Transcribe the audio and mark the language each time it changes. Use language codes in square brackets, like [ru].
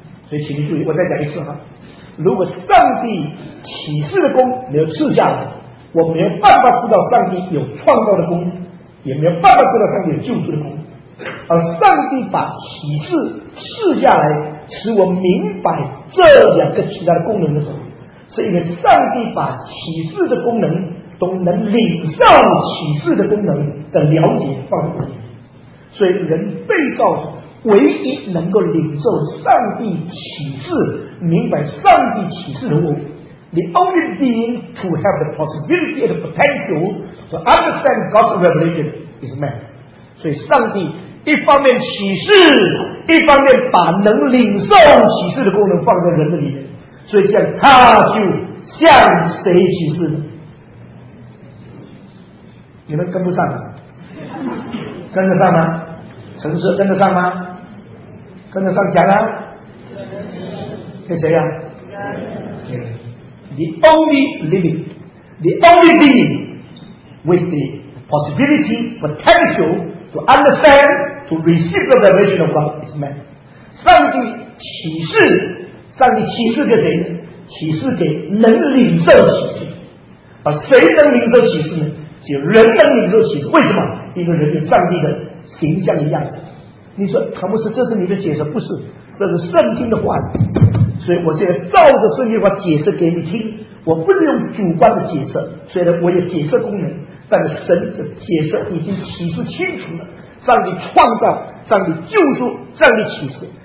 [zh] 所以请你注意，我再讲一次哈，如果上帝启示的功没有赐下来，我没有办法知道上帝有创造的功，也没有办法知道上帝有救赎的功。而上帝把启示赐下来，使我明白这两个其他的功能的时候，是因为上帝把启示的功能都能领受启示的功能的了解放在里面。所以人被造唯一能够领受上帝启示、明白上帝启示的物， [en] The only being to have the possibility and the potential to understand God's revelation is man。 [zh] 所以上帝一方面启示，一方面把能领受启示的功能放在人的里面，所以这样他就向谁启示呢？你们跟不上吗？跟得上吗？城市跟得上吗？跟得上讲啊？跟谁呀？ [en] 你 The only living, the only being with the possibility, potential to understand, to receive the revelation of God is man. [zh] 上帝启示，上帝启示给谁？启示给能领受启示。而谁能领受启示呢？只有人能领受启示。为什么？因为人有上帝的形象的样子。你说唐牧师，这是你的解释？不是，这是圣经的话语。所以我现在照着圣经的话解释给你听，我不是用主观的解释，虽然我有解释功能，但是神的解释已经启示清楚了，上帝创造，上帝救赎，上帝启示。